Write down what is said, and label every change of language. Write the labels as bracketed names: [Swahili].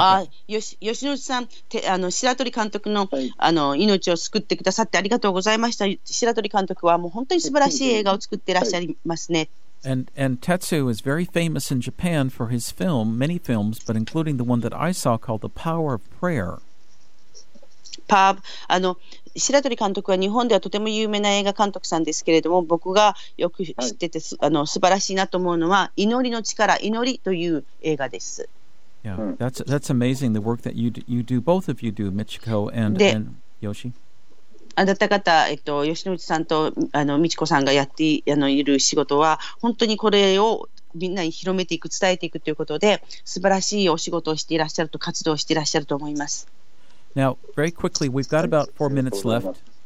[Japanese] guy. Yoshinori-san, Shiratori-kantoku の命を救ってくださってありがとうございました。 Shiratori-kantoku はもう本当に素晴らしい映画を作ってらっしゃいますね。 [English] And Tetsu is very famous in Japan for his film, many films, but including the one that I saw called The Power of Prayer. [Japanese] 白鳥監督は日本ではとても有名な映画監督さんですけれども僕がよく知ってて、はい、素晴らしいなと思うのは祈りの力祈りという映画です [English] Yeah, that's amazing the work that you do both of you do Michiko and Yoshi [Japanese] あなた方、吉野内さんと美智子さんがやっている仕事は本当にこれをみんなに広めていく伝えていくということで素晴らしいお仕事をしていらっしゃると活動していらっしゃると思います [English] Now, very quickly, we've got about 4 minutes left.